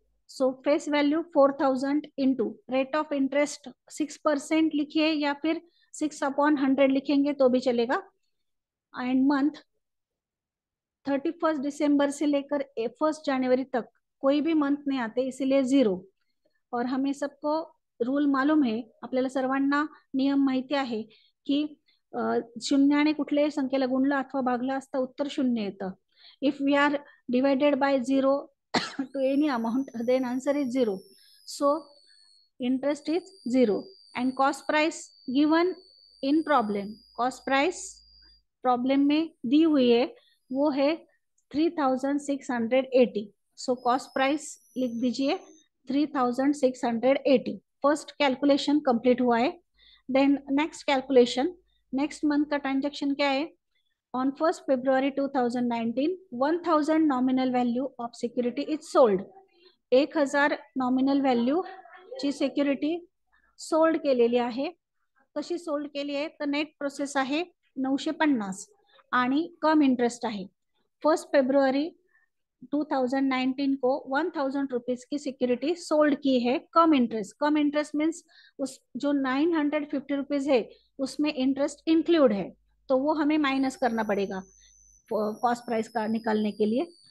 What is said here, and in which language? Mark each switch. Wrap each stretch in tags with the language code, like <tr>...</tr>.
<hi>So face value 4000 into rate of interest 6% लिखिए या फिर 6/100 लिखेंगे तो भी चलेगा। एंड मंथ 31 दिसंबर से लेकर 1 जनवरी तक कोई भी मंथ नहीं आते, इसीलिए जीरो। और हमें सबको रूल मालूम है,</hi> <mr>आपल्याला सर्वांना नियम माहिती आहे की शून्याने कुठल्याही संख्येला गुणला अथवा भागला असता उत्तर शून्य येतं।</mr> <en>If we are divided by zero to any amount then answer is zero. So interest is zero. And</en> <hi>cost price given in problem, cost price problem में दी हुई है वो है 3680। सो कॉस्ट प्राइस लिख दीजिए 3680। फर्स्ट कैलकुलेशन कंप्लीट हुआ है। Then next calculation, next month का ट्रांजेक्शन क्या है?</hi> <en>On 1 February 2019 1000 nominal value of security is sold.</en> <mr>1000 nominal value ची सिक्युरिटी सोल्ड केलेली आहे। कशी सोल्ड केली आहे? तर नेट प्रोसेस आहे 950 आणि कम इंटरेस्ट आहे।</mr> <hi>1 फरवरी 2019 को 1000 रुपीज की सिक्योरिटी सोल्ड की है कम इंटरेस्ट। कम इंटरेस्ट मीन्स उस जो 950 रुपीज है उसमें इंटरेस्ट इंक्लूड है, तो वो हमें माइनस करना पड़ेगा कॉस्ट प्राइस का निकालने के लिए।</hi>